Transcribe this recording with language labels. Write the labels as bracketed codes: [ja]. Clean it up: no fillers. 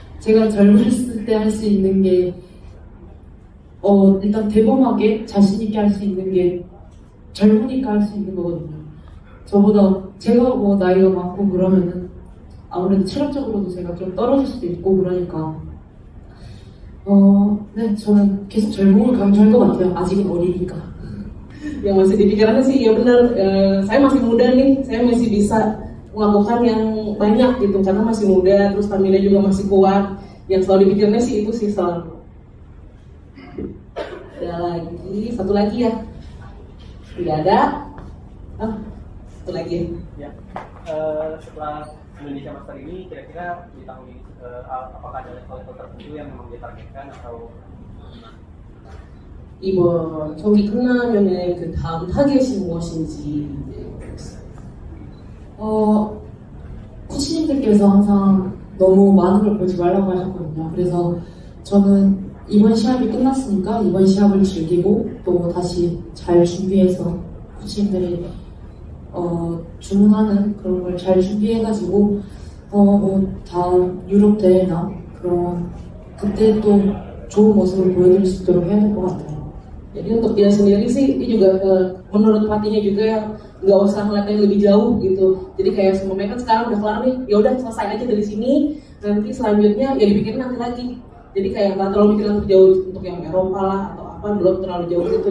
[ko] 제가 젊었을 때 할 수 있는 게 일단 대범하게 자신 있게 할 수 있는 게 젊으니까 할 수 있는 거거든요. 저보다 제가 뭐 나이가 많고 그러면은 아무래도 체력적으로도 제가 좀 떨어질 수도 있고 그러니까 네, 저는 계속 젊음을 강조할 것 같아요. 아직은 어리니까. [id] Yang masih di pikiran saya sih, ya benar. Saya masih muda nih, saya masih bisa melakukan yang banyak gitu. Karena masih muda, terus stamina juga masih kuat. Yang selalu di pikirannya sih itu sih selalu. Ada lagi, satu lagi ya. Tidak ada. Satu lagi. Ya. Setelah Indonesia Master ini kira-kira di tahun ini apakah ada level-level tertentu yang memang ditargetkan atau gimana? [ko] 이번 경기 끝나면의 그 다음 타겟이 무엇인지 모르겠어요. 코치님들께서 항상 너무 많은 걸 보지 말라고 하셨거든요. 그래서 저는 이번 시합이 끝났으니까 이번 시합을 즐기고 또 다시 잘 준비해서 코치님들이 주문하는 그런 걸 잘 준비해가지고 뭐 다음 유럽 대회나 그런 그때 또 좋은 모습을 보여드릴 수 있도록 해야 될 것 같아요. 이런 덕분에 [id] sendiri sih, ini juga menurut pelatihnya juga ya nggak usah melihat yang lebih jauh gitu. Jadi kayak semuanya kan sekarang udah kelar nih, ya udah selesai aja dari sini. Nanti selanjutnya ya dipikirin nanti lagi. Jadi kayak nggak terlalu mikirin lebih jauh untuk yang Eropa lah atau apa belum terlalu jauh gitu.